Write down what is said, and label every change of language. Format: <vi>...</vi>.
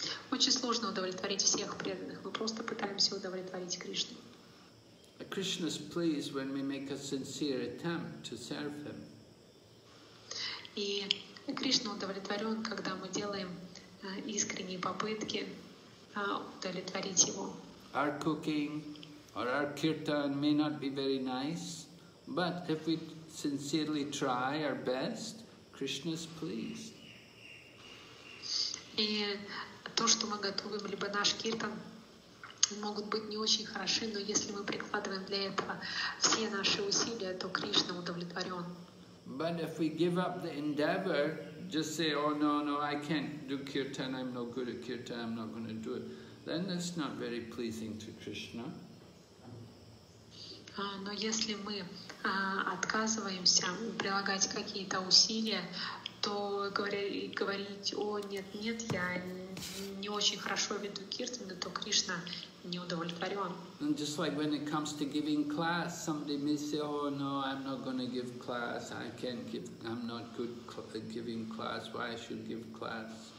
<ru>Очень сложно удовлетворить всех преданных. Мы просто пытаемся удовлетворить Кришну.</ru> <en>Krishna is pleased when we make a sincere attempt to serve Him.</en> <ru>И Кришна удовлетворен, когда мы делаем искренние попытки удовлетворить Его.</ru> <en>Our cooking or our kirtan may not be very nice, but if we sincerely try our best, Krishna is pleased.</en> <ru>И то, что мы готовим, либо наш киртан, могут быть не очень хороши, но если мы прикладываем для этого все наши усилия, то Кришна удовлетворен.</ru> <en>But if we give up the endeavor, just say, oh no, no, I can't do kirtan, I'm no good at kirtan, I'm not going to do it, then that's not very pleasing to Krishna.</en> <ru>Но если мы отказываемся прилагать какие-то усилия, то говорить, о, нет, нет, я не очень хорошо веду киртаны, то Кришна не удовлетворен.</ru> <en>And just like when it comes to giving class, somebody may say, oh no, I'm not going to give class, I can't give, I'm not good at giving class, why I should give class?</en>